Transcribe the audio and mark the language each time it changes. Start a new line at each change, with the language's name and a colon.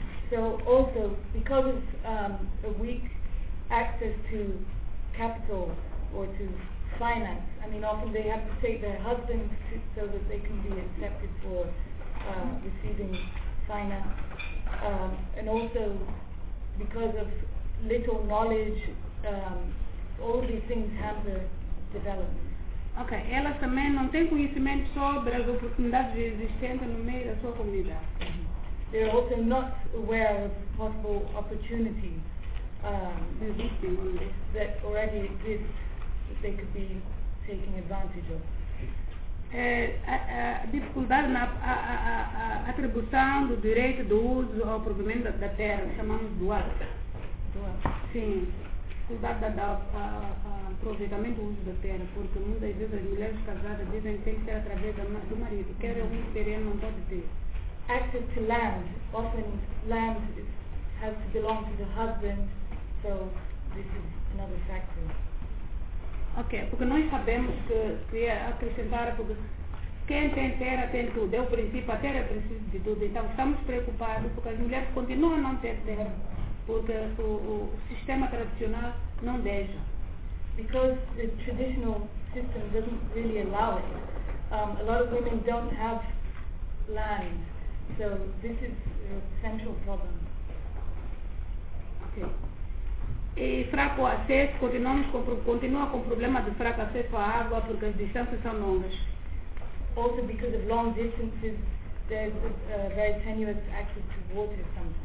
English: So also, because of a weak access to capital or to finance, I mean, often they have to take their husbands so that they can be accepted for receiving finance. And also, because of little knowledge, all of these things hamper development.
Portuguese: Okay, elas também não têm conhecimento sobre as oportunidades existentes no meio da sua comunidade.
English: They are also not aware of possible opportunities that already exist that they could be taking advantage of.
Portuguese: Dificuldade na atribuição do direito do uso ao provimento da terra, chamamos doação. Sim, dificuldade da aproveitamento do uso da terra, porque muitas vezes as mulheres casadas dizem que tem que ser através do marido, quer algum terreno, não pode ter.
English: Access to land, often land has to belong to the husband, so this is another factor.
Portuguese: Okay, porque nós sabemos que acrescentar, porque quem tem terra tem tudo, é o princípio, a terra precisa de tudo, então estamos preocupados porque as mulheres continuam a não ter terra, porque o sistema tradicional não deixa.
English: Because the traditional system doesn't really allow it, a lot of women don't have land. So this is a central problem.
Portuguese: Okay. E fraco acesso, continua com o problema de fraco acesso à água porque as distâncias são longas.
English: Also because of long distances, there's very tenuous access to water sometimes.